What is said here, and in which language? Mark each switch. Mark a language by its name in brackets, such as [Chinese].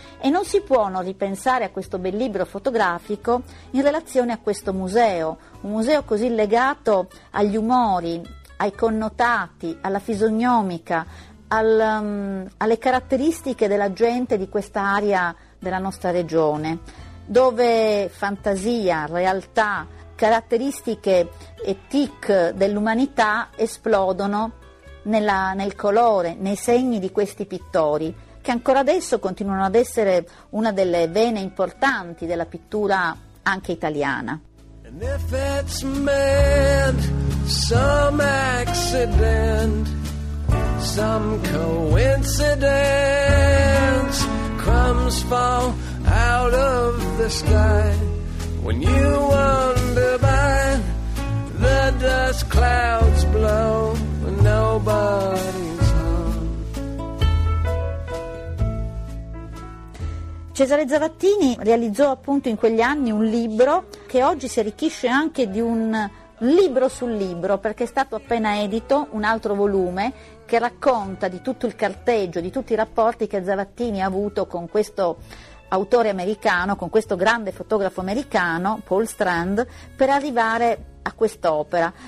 [Italian] E non si può non ripensare a questo bel libro fotografico in relazione a questo museo, un museo così legato agli umori, ai connotati, alla fisionomica, alle caratteristiche della gente di questa area della nostra regione, dove fantasia, realtà, caratteristiche e tic dell'umanità esplodono nel colore, nei segni di questi pittori, che ancora adesso continuano ad essere una delle vene importanti della pittura anche italiana. [English] And if it's meant, some accident. Some coincidence crumbs fall out of the sky when you wander by the dust clouds blow when nobody's home. [Italian] Cesare Zavattini realizzò appunto in quegli anni un libro che oggi si arricchisce anche di un libro sul libro, perché è stato appena edito un altro volume che racconta di tutto il carteggio, di tutti i rapporti che Zavattini ha avuto con questo autore americano, con questo grande fotografo americano, Paul Strand, per arrivare a quest'opera.